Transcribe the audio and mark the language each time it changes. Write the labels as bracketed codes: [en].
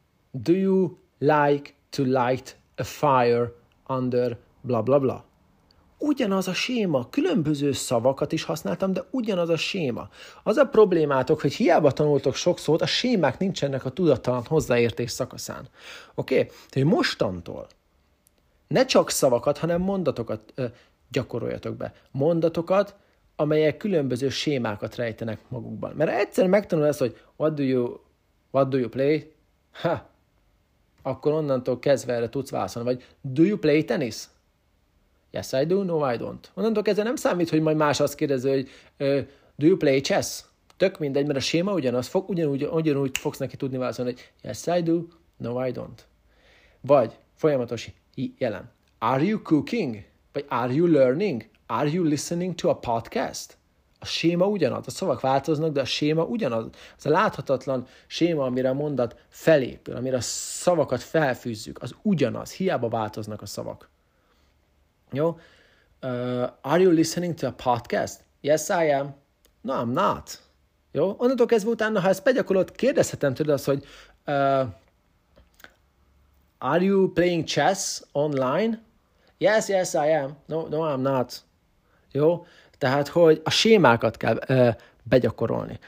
[en] Do you like to light a fire under blah, blah, blah? [hu] Ugyanaz a séma. Különböző szavakat is használtam, de ugyanaz a séma. Az a problémátok, hogy hiába tanultok sok szót, a sémák nincsenek a tudattalan hozzáértés szakaszán. Oké? Okay? Tehát mostantól ne csak szavakat, hanem mondatokat gyakoroljatok be. Mondatokat, amelyek különböző sémákat rejtenek magukban. Mert egyszer megtanul ezt, hogy [en] what do you play? [hu] Ha! Akkor onnantól kezdve erre tudsz válaszolni. Vagy [en] do you play tennis? Yes, I do. No, I don't. [hu] Onnantól kezdve nem számít, hogy majd más azt kérdezi, hogy [en] do you play chess? [hu] Tök mindegy, mert a séma ugyanaz. Ugyanúgy fogsz neki tudni válaszolni, hogy [en] yes, I do. No, I don't. [hu] Vagy folyamatos jelen. [en] Are you cooking? Vagy are you learning? Are you listening to a podcast? [hu] A séma ugyanaz. A szavak változnak, de a séma ugyanaz. Az a láthatatlan séma, amire a mondat felépül, amire a szavakat felfűzzük, az ugyanaz. Hiába változnak a szavak. Jó? [en] Are you listening to a podcast? Yes, I am. No, I'm not. Jó? [hu] Onnantól kezdve utána, ha ezt begyakorolod, kérdezhetem tőled azt, hogy are you playing chess online? Yes, yes, I am. No, no, I'm not. Jó? Tehát, hogy a sémákat kell begyakorolni.